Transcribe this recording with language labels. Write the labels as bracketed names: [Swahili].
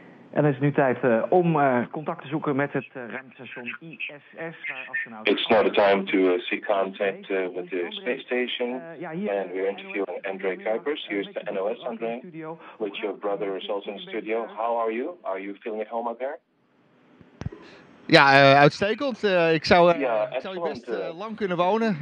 [Dutch] En het is nu tijd om contact te zoeken met het ruimtestation ISS. [English] It's now the time to seek contact with the space station. And we're interviewing Andre Kuipers. Here's the NOS, Andre, with your brother is also in the studio. How are you? Are you feeling at home up there? [Dutch] Ja, uitstekend. Ik zou hier best lang kunnen wonen.